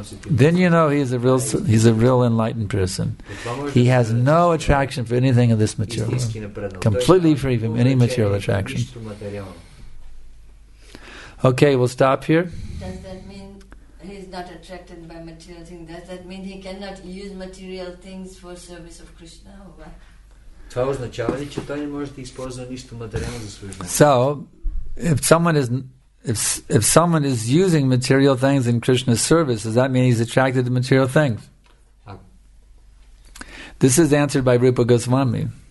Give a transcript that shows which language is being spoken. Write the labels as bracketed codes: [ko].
[en] Then you know he's a real enlightened person. He has no attraction for anything of this material world. Completely free from any material attraction. Okay, we'll stop here. He is not attracted by material things. Does that mean he cannot use material things for service of Krishna? [bg] Това означава ли, че той не може да използва нищо материално за служба? [en] So, if someone is using material things in Krishna's service, does that mean he's attracted to material things? This is answered by Rupa Goswami.